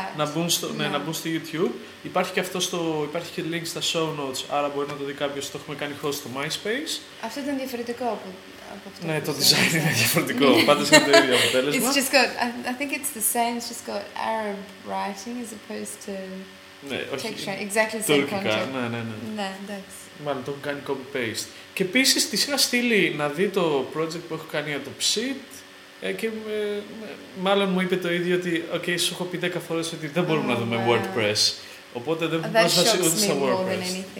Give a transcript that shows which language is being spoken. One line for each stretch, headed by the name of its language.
Greek: να μπουν, στο, ναι, να μπουν στο YouTube. Υπάρχει και αυτό στο, υπάρχει και link στα show notes, άρα μπορεί να το δει κάποιος. Το έχουμε κάνει host στο MySpace. Αυτό ήταν διαφορετικό από αυτό. Ναι, το design είναι διαφορετικό. Πάντα είναι το ίδιο αποτέλεσμα.
English: It's just got, I think it's the same, it's just got Arab writing as opposed to...
Greek: Ναι, όχι, τουρκικά, ναι, ναι, ναι. Ναι, εντάξει. Μάλλον, το έχω κάνει copy-paste. Και επίσης, της είχα στείλει να δει το project που έχω κάνει για το ψιτ και μάλλον μου είπε το ίδιο ότι, οκ, okay, σου έχω πει 10 φορές ότι δεν μπορούμε να δούμε WordPress. Οπότε δεν έχουμε πρόσβαση ούτε στο WordPress.